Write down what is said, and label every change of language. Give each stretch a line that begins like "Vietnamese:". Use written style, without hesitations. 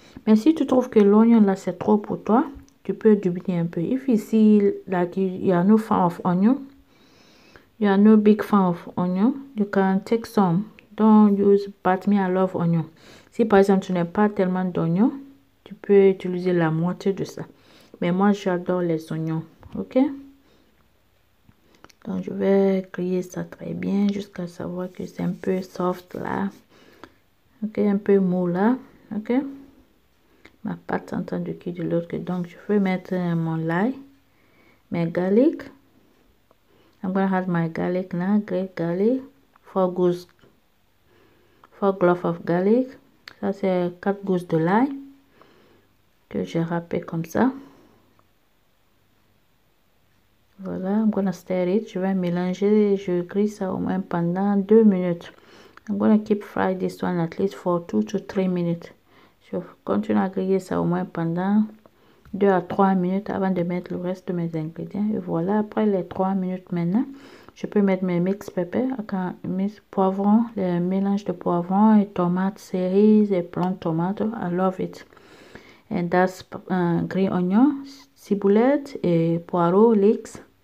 French: Mais si tu trouves que l'oignon là c'est trop pour toi, tu peux diminuer un peu.
English: If you see like you are no fan of onion, you are no big fan of onion, you can take some.
French: Don't use
English: but me I love onion.
French: Si par exemple tu n'as pas tellement d'oignons, tu peux utiliser la moitié de ça. Mais moi j'adore les oignons. Ok? Donc je vais griller ça très bien jusqu'à savoir que c'est un peu soft là. Ok, un peu mou là. Ok. Ma pâte est en train de cuire de l'autre. Donc je vais mettre mon lait.
English: Mes garlic. I'm gonna have my garlic now. Great garlic. Four cloves of garlic.
French: Ça c'est 4 gousses de l'ail. Que j'ai râpé comme ça. Voilà,
English: I'm gonna stir it.
French: Je vais mélanger, je grille ça au moins pendant 2 minutes.
English: I'm gonna keep fry this one at least for 2 to 3 minutes.
French: Je continue à griller ça au moins pendant 2 à 3 minutes avant de mettre le reste de mes ingrédients. Et voilà, après les 3 minutes maintenant, je peux mettre mes mix pepper, mes poivrons, les mélanges de poivrons et tomates, cerises et plantes tomates.
English: I love it. And that's green onion,
French: ciboulette et poireaux,
English: leeks.